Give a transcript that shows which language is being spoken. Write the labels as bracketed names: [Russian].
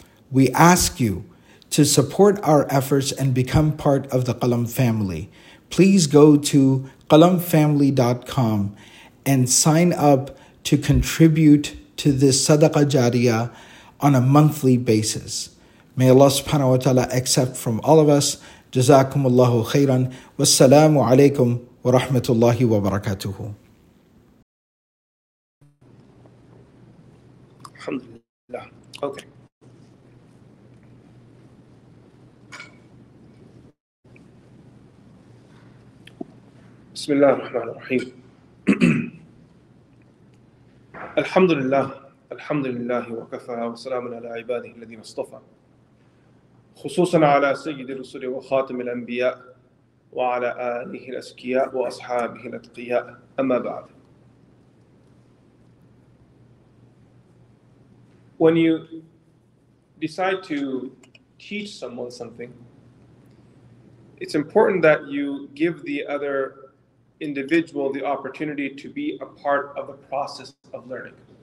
[English] We ask you to support our efforts and become part of the Qalam family. Please go to qalamfamily.com and sign up to contribute to this Sadaqah Jariyah on a monthly basis. May Allah subhanahu wa ta'ala accept from all of us. [Arabic] جزاكم الله خيرا والسلام عليكم ورحمة الله وبركاته. الحمد لله. Okay. بسم الله الرحمن الرحيم. الحمد لله. الحمد لله وكفى وسلام على عباده الذين اصطفى. خصوصا على سيد الرسل وخاتم الأنبياء وعلى آله الأسكياء وأصحابه الأتقياء أما بعد. [English] When you decide to teach someone something, it's important that you give the other individual the opportunity to be a part of the process of learning.